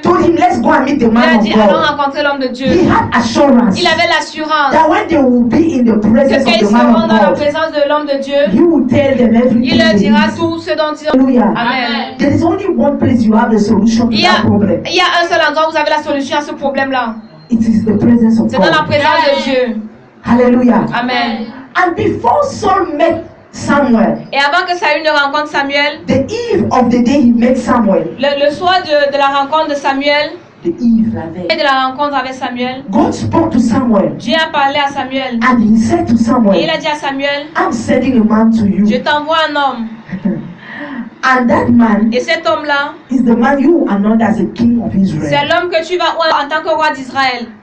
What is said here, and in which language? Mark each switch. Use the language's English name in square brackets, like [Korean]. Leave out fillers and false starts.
[English] told him, let's go and meet the man [French] il a dit, [English] of God, [French] allons rencontrer l'homme de Dieu. [English] He had assurance. [French] Il avait l'assurance. [English] That when they will be in the presence of the man of God, [French] seront dans la présence de l'homme de Dieu, [English] he will tell them everything. [French] Il leur dira tout ce dont ils ont. Hallelujah. Amen. [English] There is only one place you have the solution to that problem. [French] Il y a un seul endroit où vous avez la solution à ce problème là. [English] It is the presence of [French] c'est [English] God. [French] C'est dans la présence de Dieu. Hallelujah. Amen. [English] And before Saul met Samuel. [French] Et avant que Saül ne rencontre Samuel, [English] the eve of the day he met Samuel. [French] Le soir de la rencontre de Samuel, [English] the eve [French] la veille. Et de la rencontre avec Samuel, [English] God spoke to Samuel. [French] Dieu a parlé à Samuel. [English] And he said to Samuel. [French] Et il a dit à Samuel, [English] I'm sending a man to you. [French] Je t'envoie un homme. [English] And that man, [French] et cet homme là, [English] is the man you anoint as a king of Israel. [French] C'est l'homme que tu vas en tant que roi d'Israël.